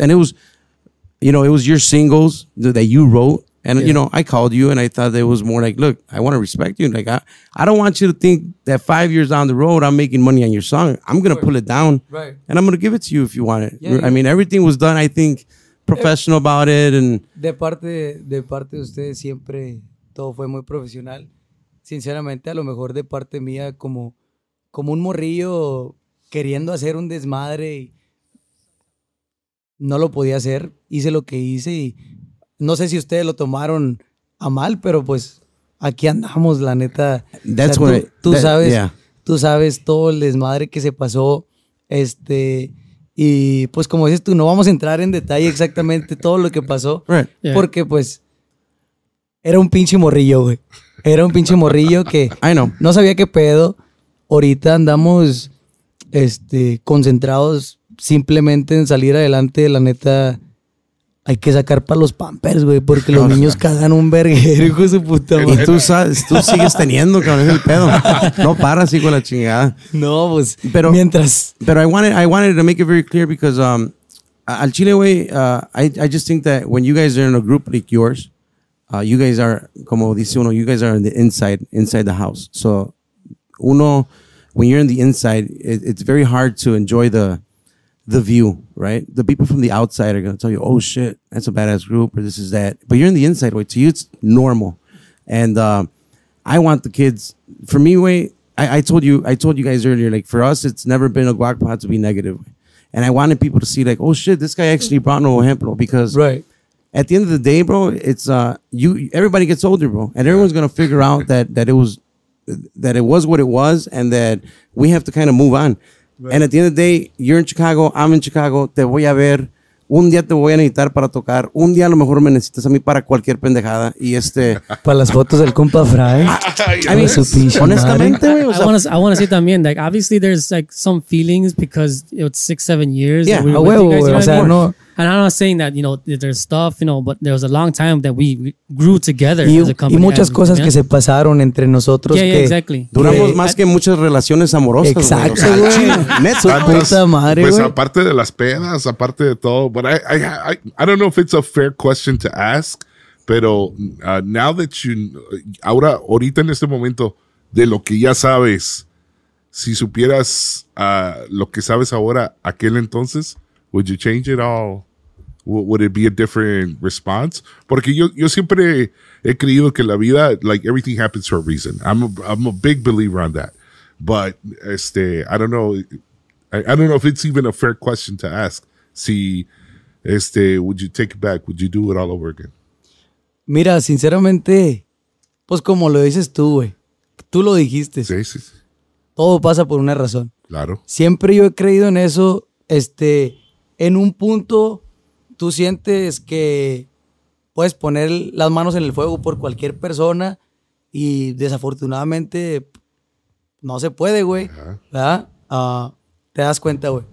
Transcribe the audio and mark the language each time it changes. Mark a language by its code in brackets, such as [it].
[en] And it was, you know, it was your singles that you wrote. And, you know, I called you and I thought that it was more like, look, I want to respect you. Like, I don't want you to think that 5 years down the road, I'm making money on your song. I'm going to pull it down. Right. And I'm going to give it to you if you want it. Yeah. I mean, everything was done, I think, professional about it. And [es] De parte de ustedes siempre todo fue muy profesional. Sinceramente, a lo mejor de parte mía, como un morrillo queriendo hacer un desmadre, y no lo podía hacer. Hice lo que hice y no sé si ustedes lo tomaron a mal, pero pues aquí andamos, la neta. [en] That's, [es] o sea, tú sabes todo el desmadre que se pasó. Y pues como dices tú, no vamos a entrar en detalle exactamente todo lo que pasó. [en] Right. [es] Yeah. Porque pues era un pinche morrillo, güey. Era un pinche morrillo que [en] I know. [es] No sabía qué pedo. Ahorita andamos concentrados simplemente en salir adelante, la neta. Hay que sacar para los Pampers, güey, porque los niños cagan un verguero, hijo de su puta madre. Y tú sigues teniendo, cabrón, es el pedo. No paras así con la chingada. No, pues, pero, mientras. Pero [en] I wanted to make it very clear because [es] al chile, güey, [en] I just think that when you guys are in a group like yours, you guys are, [es] como dice uno, [en] you guys are on the inside the house. So, [es] uno, [en] when you're in the inside, it's very hard to enjoy the view, right? The people from the outside are going to tell you, oh shit, that's a badass group, or this is that. But you're in the inside, way. To you, it's normal. And I want the kids, for me, way. I told you guys earlier, like, for us, it's never been a guac pot to be negative. And I wanted people to see, like, oh shit, this guy actually brought Nuevo Ejemplo, because right. At the end of the day, bro, it's everybody gets older, bro. And everyone's gonna figure out that it was what it was, and that we have to kind of move on. Right. And at the end of the day, you're in Chicago, I'm in Chicago, [es] te voy a ver. Un día te voy a necesitar para tocar. Un día a lo mejor me necesitas a mí para cualquier pendejada. Y este... Para las fotos del compa Fry. Honestamente, güey. [en] I want to say [es] también, [en] like, obviously there's, like, some feelings because it's 6-7 years. Yeah, [es] a huevo, güey. O sea, no... [en] And I'm not saying that, you know, there's stuff, you know, but there was a long time that we grew together [es] y, [en] as a company. [es] Y muchas cosas, [en] yeah, [es] que se pasaron entre nosotros. [en] Yeah, [es] que [en] exactly. [es] Duramos más que muchas relaciones amorosas. Exacto, güey. Neto, puta madre, pues wey. Aparte de las pedas, aparte de todo, [en] but I don't know if it's a fair question to ask, [es] pero [en] now that you, [es] ahora, ahorita en este momento, de lo que ya sabes, si supieras lo que sabes ahora, aquel entonces... [en] Would you change it all? Would it be a different response? [es] Porque yo siempre he creído que la vida, [en] like, everything happens for a reason. I'm a big believer on that. But [es] este, [en] I don't know. I don't know if it's even a fair question to ask. [es] Si, este, [en] would you take it back? Would you do it all over again? [es] Mira, sinceramente, pues como lo dices tú, güey. Tú lo dijiste. Sí, sí, sí. Todo pasa por una razón. Claro. Siempre yo he creído en eso, este... En un punto, tú sientes que puedes poner las manos en el fuego por cualquier persona y desafortunadamente no se puede, güey. ¿Verdad? Te das cuenta, güey.